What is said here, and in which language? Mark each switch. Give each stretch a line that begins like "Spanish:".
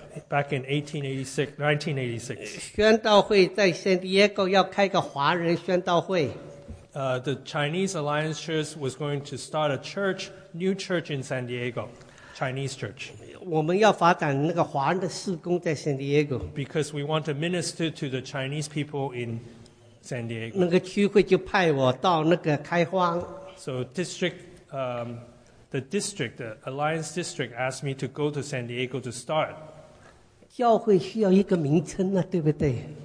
English: back in 1986,
Chinese: 宣道会在圣地亚哥要开个华人宣道会。
English: The Chinese Alliance Church was going to start a church, new church in San Diego, Chinese church.
Chinese: 我们要发展那个华人的事工在圣地亚哥。
English: Because we want to minister to the Chinese people in San Diego.
Chinese: 那个区会就派我到那个开荒。
English: So district, the district, the Alliance district asked me to go to San Diego to start.
Chinese: 教会需要一个名称啊，对不对？